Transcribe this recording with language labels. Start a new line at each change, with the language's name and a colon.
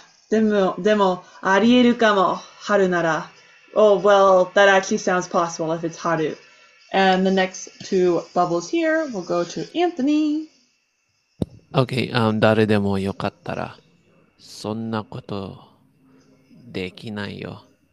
Japanese: でも、ありえるかも、春なら。
English: Oh, well, that actually sounds possible if it's Haru. And the next two bubbles here will go to Anthony.
Japanese: Okay, 誰でもよかったら、そんなことできないよ。